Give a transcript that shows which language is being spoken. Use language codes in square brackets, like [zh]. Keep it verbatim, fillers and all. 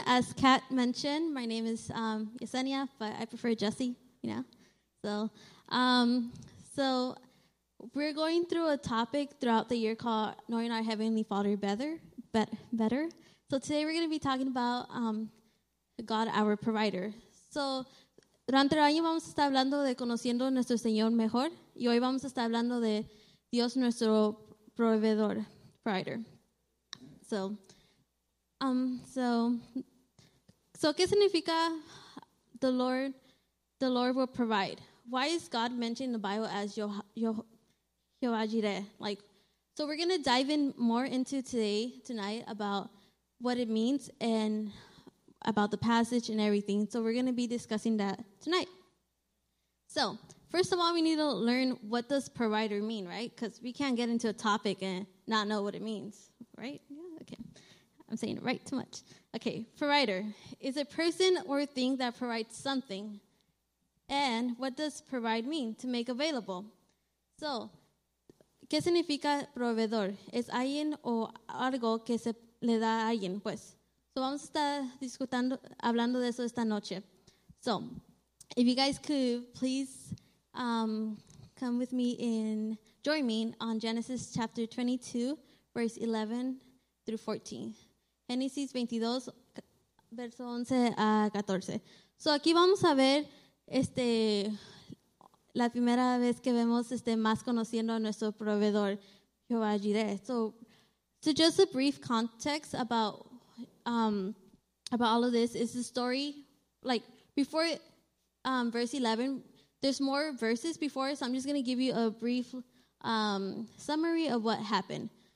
[en] As Kat mentioned, my name is um, Yesenia, but I prefer Jessie, you know. So, um, so we're going through a topic throughout the year called Knowing Our Heavenly Father Better. Bet- better. So today we're going to be talking about um, God, our provider. [es] So, durante el año vamos a estar hablando de conociendo a nuestro Señor mejor, y hoy vamos a estar hablando de Dios, nuestro proveedor, provider. [en] So, Um, so, so, [es] ¿qué significa [en] the Lord, the Lord will provide? Why is God mentioned in the Bible as Jehovah Jireh? Like, so we're going to dive in more into today, tonight, about what it means and about the passage and everything. So we're going to be discussing that tonight. So, first of all, we need to learn what does provider mean, right? Because we can't get into a topic and not know what it means, right? Yeah, okay. I'm saying it right too much. Okay, provider is a person or thing that provides something. And what does provide mean? To make available. So, [es] ¿qué significa proveedor? Es alguien o algo que se le da a alguien, pues. So, vamos a estar discutiendo, hablando de eso esta noche. [en] So, if you guys could please um, come with me in, join me on Genesis chapter twenty-two, verse eleven through fourteen. [es] Génesis veintidós, verso once a catorce. So, aquí vamos a ver este, la primera vez que vemos este, más conociendo a nuestro proveedor, Jehová Jireh. [en] So, so, just a brief context about um, about all of this is the story. Like, before um, verse eleven, there's more verses before, so I'm just going to give you a brief um, summary of what happened.